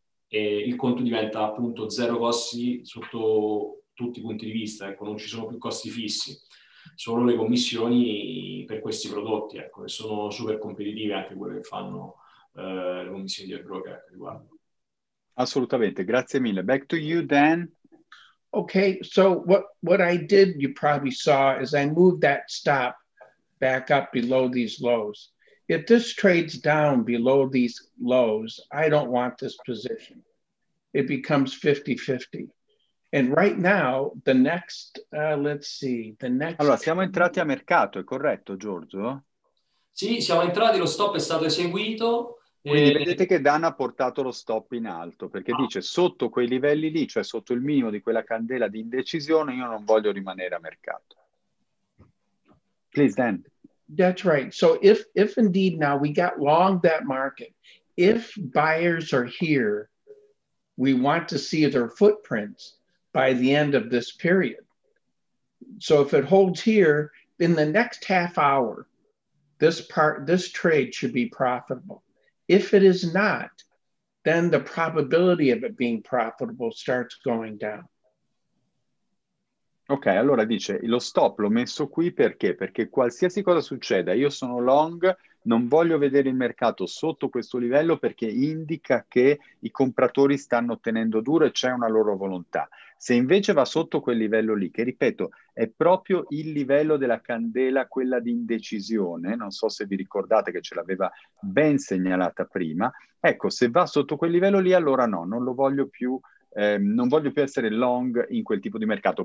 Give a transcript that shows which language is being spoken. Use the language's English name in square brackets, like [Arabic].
[Italian] il conto diventa appunto zero costi sotto tutti i punti di vista, ecco, non ci sono più costi fissi, solo le commissioni per questi prodotti, ecco, e sono super competitive anche quelle che fanno le commissioni di iBroker riguardo. Assolutamente, grazie mille. [English] Back to you, Dan. Okay, so what I did, you probably saw, is I moved that stop back up below these lows. If this trades down below these lows, I don't want this position. It becomes 50-50. And right now, the next, the next... [Italian] Allora, siamo entrati a mercato, è corretto, Giorgio? Sì, siamo entrati, lo stop è stato eseguito. Quindi vedete che Dan ha portato lo stop in alto, perché dice sotto quei livelli lì, cioè sotto il minimo di quella candela di indecisione, io non voglio rimanere a mercato. [English] Please, Dan. That's right. So if indeed now we got long that market, if buyers are here, we want to see their footprints by the end of this period. So if it holds here, in the next half hour, this trade should be profitable. If it is not, then the probability of it being profitable starts going down. [Italian] Ok, allora dice, lo stop l'ho messo qui perché? Perché qualsiasi cosa succeda, io sono long, non voglio vedere il mercato sotto questo livello perché indica che i compratori stanno tenendo duro e c'è una loro volontà. Se invece va sotto quel livello lì, che ripeto, è proprio il livello della candela, quella di indecisione, non so se vi ricordate che ce l'aveva ben segnalata prima, ecco, se va sotto quel livello lì, allora no, non lo voglio più, non voglio più essere long in quel tipo di mercato.